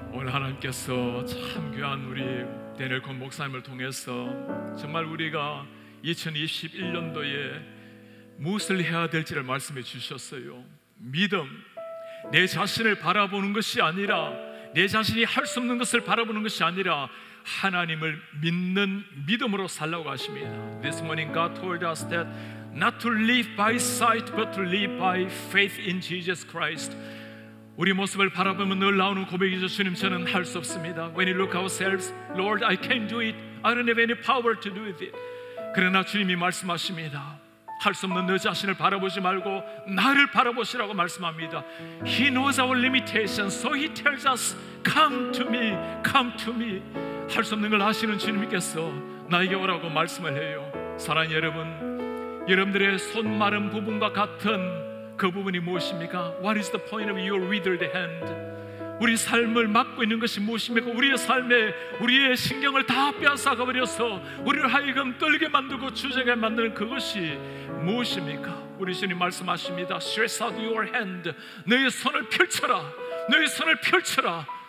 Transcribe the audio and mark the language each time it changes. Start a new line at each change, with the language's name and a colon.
Korean: 아버지께서 참 귀한 우리 대니엘 권 목사님을 통해서 정말 우리가 2021년도에 무엇을 해야 될지를 말씀해 주셨어요. 믿음, 내 자신을 바라보는 것이 아니라 내 자신이 할 수 없는 것을 바라보는 것이 아니라 하나님을 믿는 믿음으로 살라고 하십니다.
English: This morning God told us that not to live by sight but to live by faith in Jesus Christ.
Korean: 우리 모습을 바라보면 늘 나오는 고백이죠. 주님, 저는 할 수 없습니다.
English: When you look ourselves, Lord, I can't do it. I don't have any power to do it.
Korean: 그러나 주님이 말씀하십니다. 할 수 없는 너 자신을 바라보지 말고 나를 바라보시라고 말씀합니다.
English: He knows our limitations, so he tells us, come to me, come to me.
Korean: 할 수 없는 걸 아시는 주님께서 나에게 오라고 말씀을 해요. 사랑하는 여러분, 여러분들의 손 마른 부분과 같은 그 부분이 무엇입니까?
English: What is the point of your withered hand?
Korean: 우리 삶을 막고 있는 것이 무엇입니까? 우리의 삶에 우리의 신경을 다 빼앗아가버려서 우리를 하여금 떨게 만들고 주저하게 만드는 그것이 무엇입니까? 우리 주님 말씀하십니다.
English: Stretch out your hand.
Korean: 너의 손을 펼쳐라. 너의 손을 펼쳐라.